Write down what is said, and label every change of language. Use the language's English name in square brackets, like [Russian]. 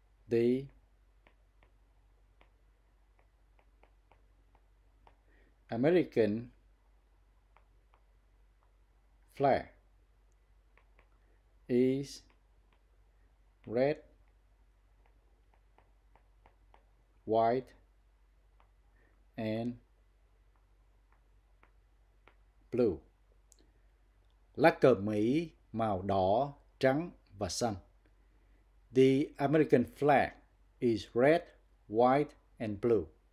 [English] The American flag is red, white, and blue. [Vietnamese] Lá cờ Mỹ màu đỏ, trắng và xanh. [English] The American flag is red, white, and blue.